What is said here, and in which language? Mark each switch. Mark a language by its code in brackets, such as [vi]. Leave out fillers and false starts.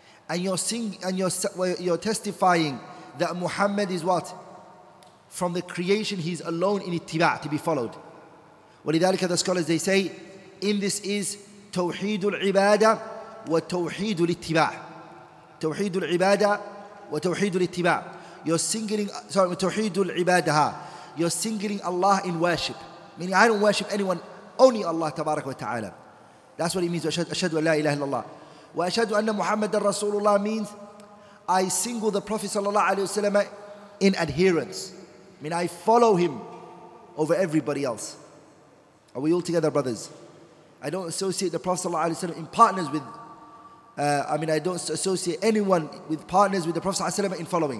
[en] And you're testifying that Muhammad is what? From the creation, he's alone in ittiba', to be followed. ولذلك, the scholars, they say, in this is [ar] توحيد العبادة وتوحيد الاتباع. توحيد العبادة وتوحيد الاتباع. توحيد العبادة. [en] You're singling Allah in worship. Meaning, I don't worship anyone, only Allah [ar] تبارك وتعالى. [en] That's what it means, [ar] أشهد أن لا إله إلا الله. وَأَشْهَدُ أَنَّ مُحَمَّدًا رَسُولُ اللَّهِ [en] means I single the Prophet sallallahu alaihi wasallam in adherence. I mean, I follow him over everybody else. Are we all together, brothers? I don't associate the Prophet sallallahu alaihi wasallam in partners with. I don't associate anyone with partners with the Prophet sallallahu alaihi wasallam in following.